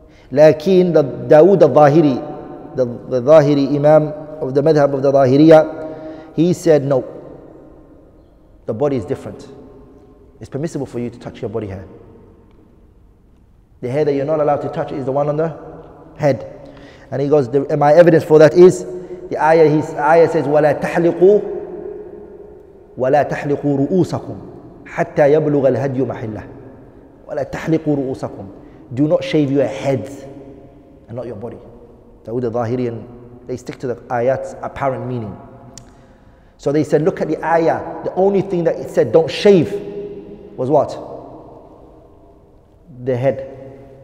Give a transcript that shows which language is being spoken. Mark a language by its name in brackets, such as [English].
[Arabic] لكن داود الظاهري, [English] the ظاهري imam of the madhab of the ظاهريه, he said no, the body is different. It's permissible for you to touch your body hair. The hair that you're not allowed to touch is the one on the head. And he goes, my evidence for that is the ayah. His ayah says, [Arabic] ولا تحلقوا رؤوسكم حتى يبلغ الهدي محله. ولا تحلقوا رؤوسكم. [English] Do not shave your heads and not your body. Dawood al-Zahiri, and they stick to the ayat's apparent meaning. So they said, look at the ayah. The only thing that it said, don't shave, was what? The head.